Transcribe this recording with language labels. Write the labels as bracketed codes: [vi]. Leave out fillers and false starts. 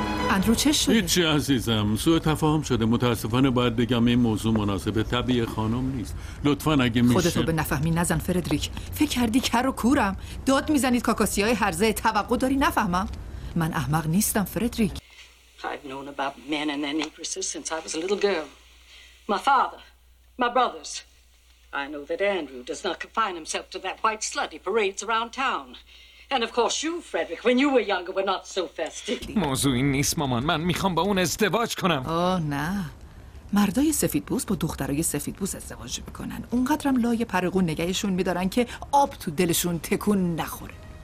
[fa] اندرو چه شده؟ هیچی عزیزم، سوء تفاهم شده. متاسفانه باید بگم این موضوع مناسب طبیع خانم نیست. لطفاً اگه میشه خودت رو به نفهمی نزن فردریک. فکر کردی کر و کورم؟ داد میزنید کاکاسی های هرزه؟ توقع داری نفهمم؟ من احمق نیستم فردریک. [en] I've known about men and their negresses since I was a little girl. My father, my brothers. I know that Andrew does not confine himself to that white slut he parades around town. And of course you, Frederick, when you were younger, were not so fastidious. [fa] موضوع این نیست مامان، من میخوام با اون ازدواج کنم. آه نه، مردای سفیدپوست با دخترای سفیدپوست ازدواج میکنن. اونقدرم لای پرقون نگهشون میدارن که آب تو دلشون تکون نخوره.